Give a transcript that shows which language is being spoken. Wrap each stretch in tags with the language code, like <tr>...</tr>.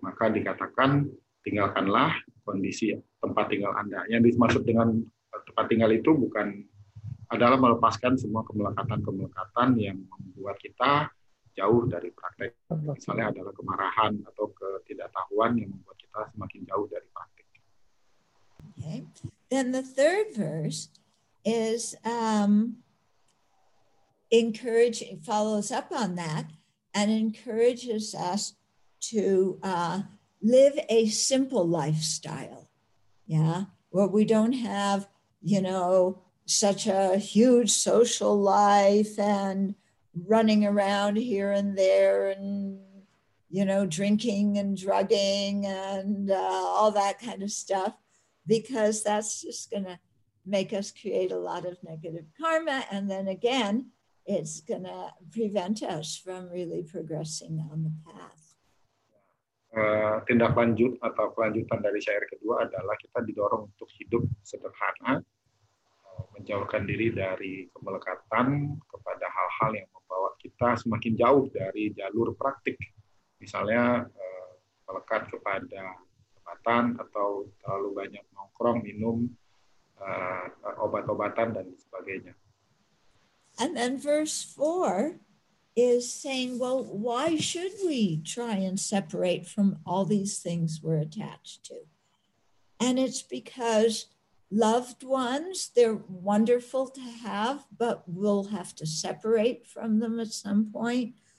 <id>Maka dikatakan tinggalkanlah kondisi tempat tinggal Anda. Yang dimaksud dengan tempat tinggal itu bukan adalah melepaskan semua kemelekatan-kemelekatan yang membuat kita jauh dari praktek. Misalnya adalah kemarahan atau ketidaktahuan yang membuat kita semakin jauh dari praktek.</id> <en>Okay. Then the third verse is encouraging, follows up on that and encourages us to live a simple lifestyle. Yeah, where we don't have, you know, such a huge social life and running around here and there and, you know, drinking and drugging and all that kind of stuff, because that's just gonna make us create a lot of negative karma. And then again, it's gonna prevent us from really progressing on the path.</en> <id>Tindak lanjut atau kelanjutan dari syair kedua adalah kita didorong untuk hidup sederhana, menjauhkan diri dari kemelekatan kepada hal-hal yang membawa kita semakin jauh dari jalur praktik. Misalnya melekat kepada kematan atau terlalu banyak nongkrong nongkrong, minum obat-obatan dan sebagainya.</id> <en>And then verse 4 is saying, well, why should we try and separate from all these things we're attached to? And it's because loved ones, they're wonderful to have, but we'll have to separate from them at some point.</en>